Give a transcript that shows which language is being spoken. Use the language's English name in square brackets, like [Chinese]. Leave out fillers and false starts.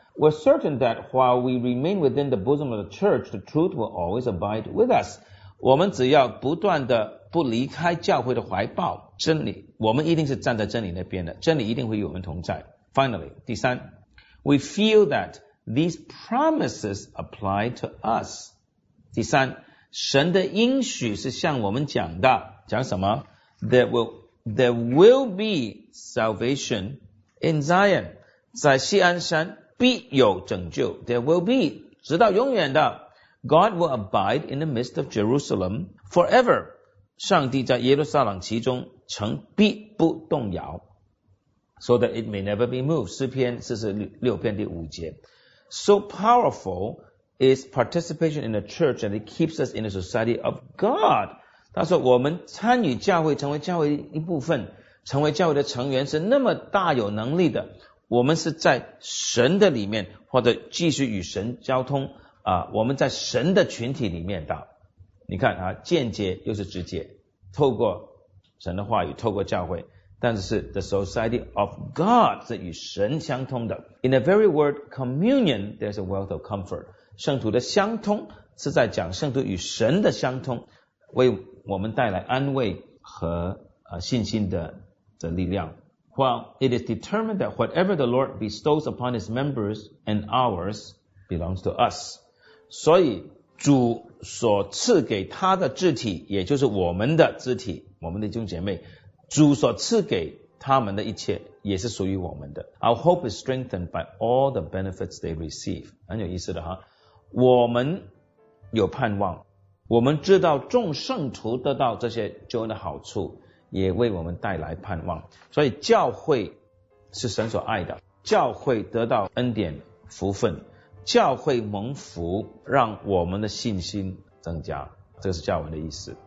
[English] we're certain that while we remain within the bosom of the church, the truth will always abide with us. [Chinese] 我们只要不断的不离开教会的怀抱，真理，我们一定是站在真理那边的，真理一定会与我们同在。 [English] Finally, [Chinese] 第三， [English] we feel that these promises apply to us. [Chinese] 第三，神的应许是向我们讲的，讲什么？ [English] There will be salvation in Zion. [Chinese] 在锡安山必有拯救。 [English] There will be, [Chinese] 直到永远的。 [English] God will abide in the midst of Jerusalem forever. [Chinese] 上帝在耶路撒冷其中，城必不动摇。 [English] So that it may never be moved. [Chinese] 诗篇46篇第五节。 [English] So powerful is participation in the church and it keeps us in the society of God. [Chinese] 他说我们参与教会，成为教会一部分，成为教会的成员是那么大有能力的，我们是在神的里面，或者继续与神交通啊，我们在神的群体里面的。你看啊，间接又是直接，透过神的话语，透过教会，但是 [English] the society of God [Chinese] 是与神相通的。 [English] In the very word communion, there's a wealth of comfort. [Chinese] 圣徒的相通是在讲圣徒与神的相通，为我们带来安慰和信心的力量。 [English] While it is determined that whatever the Lord bestows upon his members and ours belongs to us. [Chinese] 所以主所赐给他的肢体，也就是我们的肢体，我们的弟兄姐妹，主所赐给他们的一切也是属于我们的。 [English] Our hope is strengthened by all the benefits they receive. [Chinese] 很有意思的哈，我们有盼望，我们知道众圣徒得到这些救恩的好处，也为我们带来盼望。所以教会是神所爱的，教会得到恩典福分，教会蒙福，让我们的信心增加，这是加尔文的意思。